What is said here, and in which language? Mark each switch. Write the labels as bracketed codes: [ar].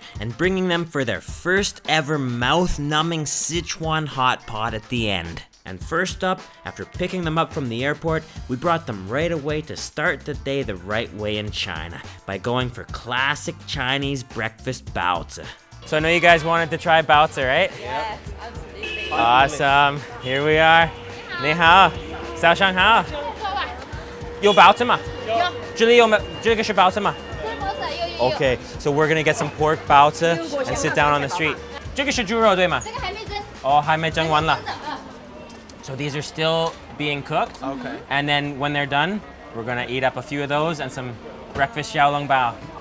[en] And bringing them for their first ever mouth-numbing Sichuan hot pot at the end. And first up, after picking them up from the airport, we brought them right away to start the day the right way in China by going for classic Chinese breakfast baozi. So I know you guys wanted to try baozi, right? Yes, absolutely. Awesome, here we are. Ni hao. [zh] 早上好。有包子吗？有。这里有没？这个是包子吗？ [en] Okay, so we're gonna get some pork baozi and sit down on the street. [zh] 这个是猪肉对吗？这个还没蒸。哦，还没蒸完了。 [en] So these are still being cooked. Okay. And then when they're done, we're gonna eat up a few of those and some breakfast xiaolongbao.